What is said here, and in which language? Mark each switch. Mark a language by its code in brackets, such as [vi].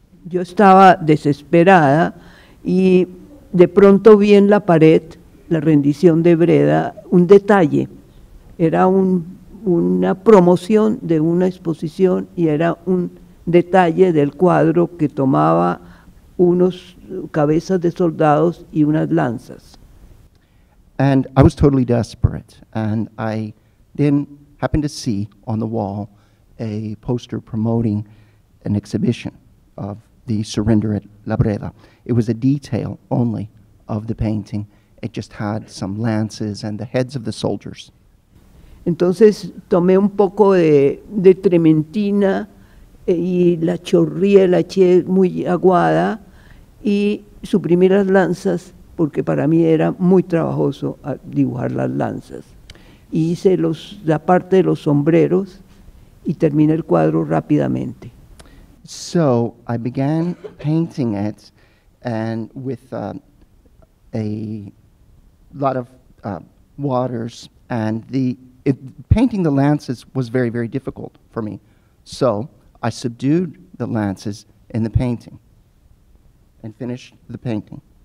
[es] Yo estaba desesperada y de pronto vi en la pared, la rendición de Breda, un detalle. Era una promoción de una exposición y era un detalle del cuadro que tomaba unos cabezas de soldados y unas lanzas. [en] And I was totally desperate, and I then happened to see on the wall a poster promoting an exhibition of the surrender at La Breda. It was a detail only of the painting. It just had some lances and the heads of the soldiers. [es] Entonces tomé un poco de trementina y la chorría, la eché muy aguada y suprimí las lanzas porque para mí era muy trabajoso dibujar las lanzas. E hice la parte de los sombreros y terminé el cuadro rápidamente. [en] So I began painting it, and with a lot of waters, and painting the lances was very, very difficult for me. So I subdued the lances in the painting and finished the painting.